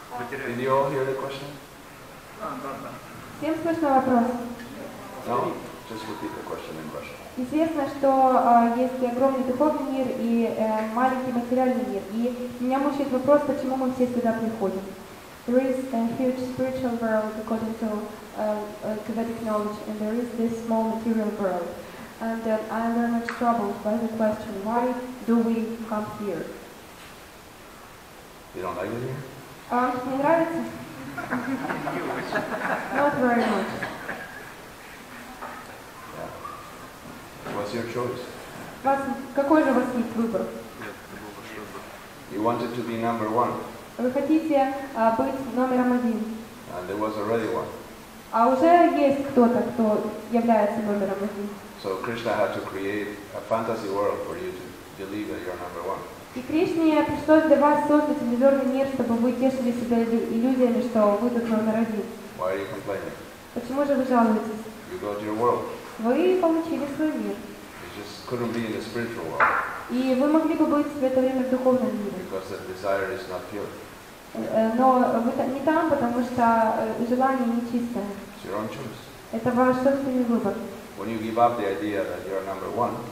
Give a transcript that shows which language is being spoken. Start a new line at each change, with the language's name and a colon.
English: Did you all hear the question?
Russian: Всем слышно вопрос?
English: No, just repeat the question in Russian.
Russian: Известно, что есть огромный духовный мир и маленький материальный мир. И меня мучает вопрос, почему мы все сюда приходим.
English: There is a huge spiritual world according to Vedic knowledge, and there is this small material world. And I'm very much troubled by the question, why do we come here? You don't like it here?
Russian: Мне нравится.
English: Not very much. Yeah. What's your choice?
Russian: Какой же у вас есть выбор?
English: You wanted to be number one.
Russian: Вы хотите быть номером один.
English: And there was already one.
Russian: А уже есть кто-то, кто является номером один.
English: So Krishna had to create a fantasy world for you to believe that you're number one.
Russian: И Кришне пришлось для вас создать иллюзорный мир, чтобы вы тешили себя иллюзиями, что вы тут номер один.
English: Why are you complaining?
Russian: Почему же вы жалуетесь?
English: You got your world.
Russian: Вы получили свой мир.
English: You just couldn't be in the spiritual world.
Russian: И вы могли бы быть в это время в духовном мире.
English: Because the desire is not pure.
Russian: Но вы не там, потому что желание нечистое.
English: It's your own choice.
Russian: Это ваш собственный выбор.
English: When you give up the idea that you're number one,